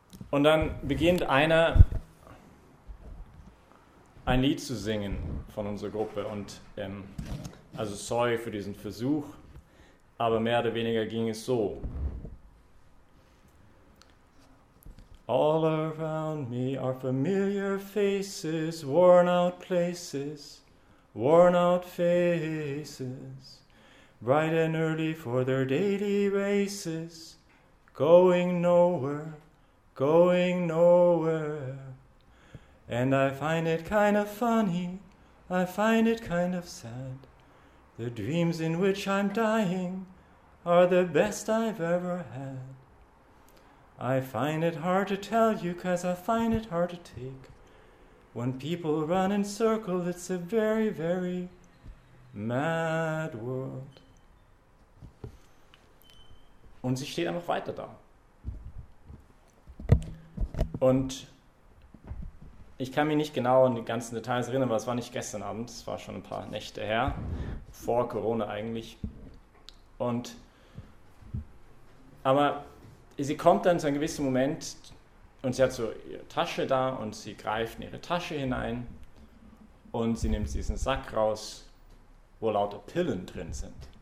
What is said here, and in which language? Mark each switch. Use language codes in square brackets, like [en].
[de] Und dann beginnt einer ein Lied zu singen von unserer Gruppe. Und also sorry für diesen Versuch, aber mehr oder weniger ging es so. [en] All around me are familiar faces, worn out places, worn out faces, bright and early for their daily races, going nowhere, going nowhere. And I find it kind of funny, I find it kind of sad, the dreams in which I'm dying are the best I've ever had. I find it hard to tell you, 'cause I find it hard to take. When people run in circles, it's a very, very mad world. [de] Und sie steht einfach weiter da. Und ich kann mich nicht genau an die ganzen Details erinnern, aber es war nicht gestern Abend, es war schon ein paar Nächte her, vor Corona eigentlich. Und aber sie kommt dann zu einem gewissen Moment und sie hat so ihre Tasche da und sie greift in ihre Tasche hinein und sie nimmt diesen Sack raus, wo lauter Pillen drin sind.